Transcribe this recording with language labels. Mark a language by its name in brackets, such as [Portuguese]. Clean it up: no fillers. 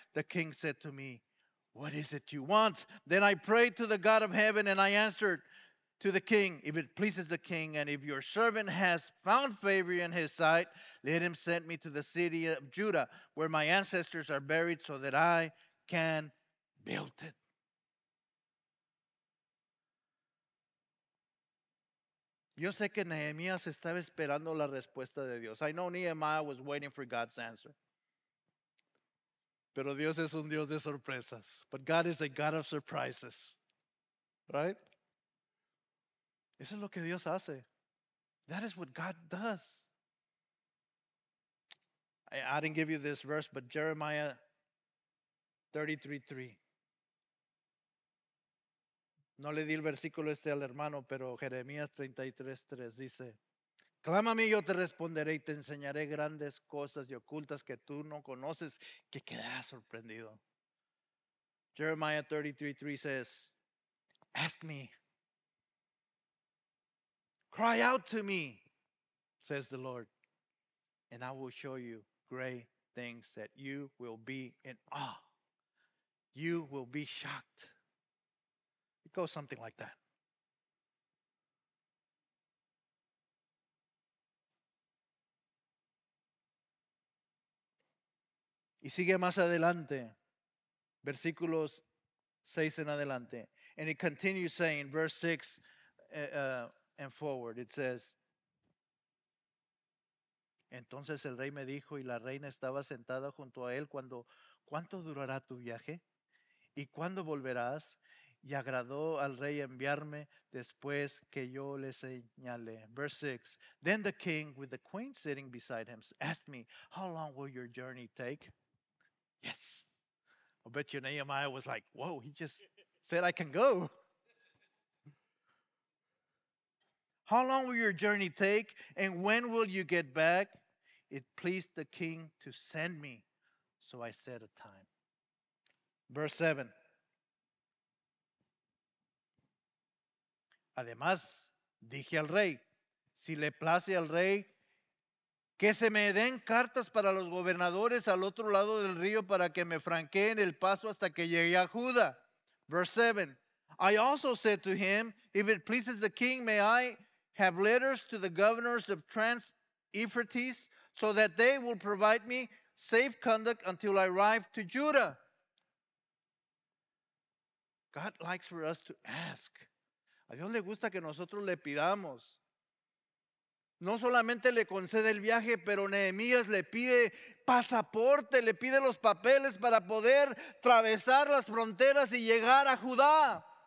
[English] The king said to me, what is it you want? Then I prayed to the God of heaven and I answered to the king, if it pleases the king and if your servant has found favor in his sight, let him send me to the city of Judah where my ancestors are buried so that I can build it. [Spanish] Yo sé que Nehemías estaba esperando la respuesta de Dios. [English] I know Nehemiah was waiting for God's answer. [Spanish] Pero Dios es un Dios de sorpresas. [English] But God is a God of surprises. Right? [Spanish] Eso es lo que Dios hace. [English] That is what God does. I didn't give you this verse, but Jeremiah 33:3. [Spanish] No le di el versículo este al hermano, pero Jeremías 33:3 dice, clámame y yo te responderé y te enseñaré grandes cosas y ocultas que tú no conoces, que quedarás sorprendido. [English] Jeremiah 33:3 says, ask me. Cry out to me, says the Lord, and I will show you great things that you will be in awe. You will be shocked. It goes something like that. [Spanish] Y sigue más adelante, versículos 6 en adelante. [English] And it continues saying, verse 6 and forward, it says, [Spanish] entonces el rey me dijo, y la reina estaba sentada junto a él, cuando, ¿cuánto durará tu viaje? ¿Y cuándo volverás? Y agradó al rey enviarme después que yo le señalé. [English] Verse 6. Then the king, with the queen sitting beside him, asked me, how long will your journey take? Yes. I bet you Nehemiah was like, whoa, he just said I can go. How long will your journey take? And when will you get back? It pleased the king to send me. So I set a time. Verse 7. [Spanish] Además, dije al rey, si le place al rey, que se me den cartas para los gobernadores al otro lado del río para que me franqueen el paso hasta que llegue a Judá. [English] Verse 7. I also said to him, if it pleases the king, may I have letters to the governors of Trans-Euphrates so that they will provide me safe conduct until I arrive to Judah. God likes for us to ask. [Spanish] A Dios le gusta que nosotros le pidamos. No solamente le concede el viaje, pero Nehemías le pide pasaporte, le pide los papeles para poder atravesar las fronteras y llegar a Judá.